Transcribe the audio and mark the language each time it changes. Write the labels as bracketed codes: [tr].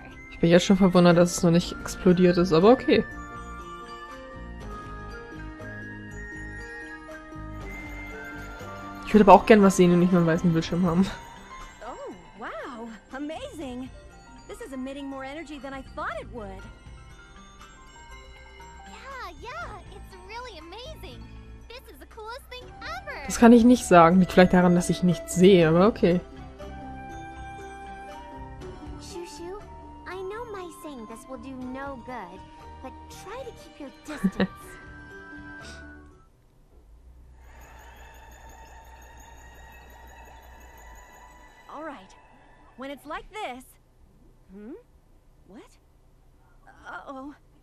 [de] Ich bin jetzt schon verwundert, dass es noch nicht explodiert ist, aber okay. Ich würde aber auch gern was sehen und nicht nur einen weißen Bildschirm haben. [en] Oh, wow, amazing. This is emitting more energy than I thought it would. Yeah, yeah, it's really amazing. This is the coolest thing ever. [de] Das kann ich nicht sagen, liegt vielleicht daran, dass ich nichts sehe, aber okay. [en] Shushu, I know my saying this will do no good, but try to keep your distance. Alright. When it's like this. Hm? What? Uh-oh.